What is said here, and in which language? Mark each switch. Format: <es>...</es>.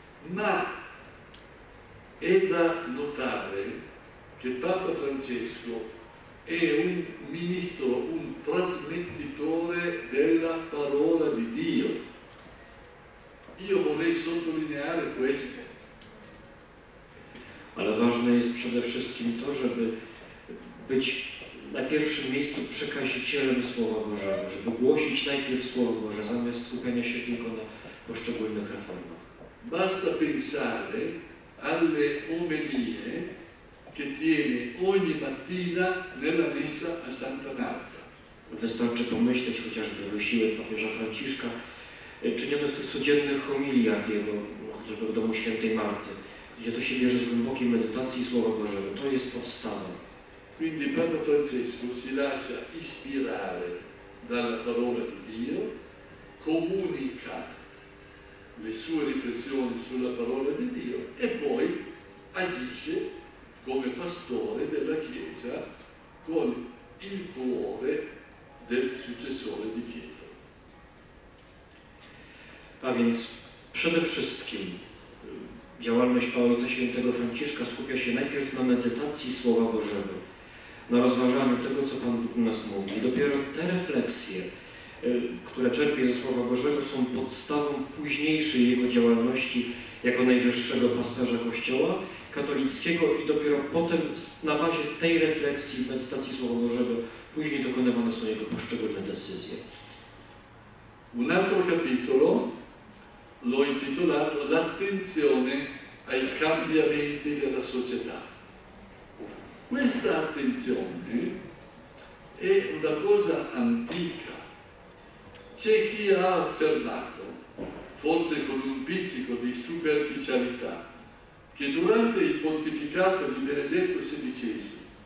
<it>Ma è da notare che Papa Francesco è un ministro, un trasmettitore della parola di Dio. Io vorrei sottolineare questo.</it> <pl>Ale ważne jest przede wszystkim to, żeby być na pierwszym miejscu przekazicielem Słowa Bożego, żeby głosić najpierw Słowo Boże, zamiast skupienia się tylko na poszczególnych reformach.</pl> <it>Basta pensare alle omelie che tiene ogni mattina nella messa a Santa Marta.</it> <pl>Wystarczy pomyśleć chociażby wysiłek papieża Franciszka, czyniony w tych codziennych homiliach jego, chociażby w domu świętej Marty, gdzie to się bierze z głębokiej medytacji Słowa Bożego. To jest podstawa.</pl> <it>Quindi Papa Francesco si lascia ispirare dalla parola di Dio, comunica le sue riflessioni sulla parola di Dio e poi agisce come pastore della Chiesa con il cuore del successore di Pietro.</it> <pl>A więc przede wszystkim działalność Ojca Świętego Franciszka skupia się najpierw na medytacji Słowa Bożego, na rozważaniu tego, co Pan Bóg nas mówi. Dopiero te refleksje, które czerpie ze Słowa Bożego, są podstawą późniejszej jego działalności jako najwyższego pasterza Kościoła katolickiego i dopiero potem na bazie tej refleksji, medytacji Słowa Bożego, później dokonywane są jego poszczególne decyzje.</pl> <it>Un altro capitolo l'ho intitolato L'attenzione ai cambiamenti della società. Questa attenzione è una cosa antica. C'è chi ha affermato, forse con un pizzico di superficialità, che durante il pontificato di Benedetto XVI</it>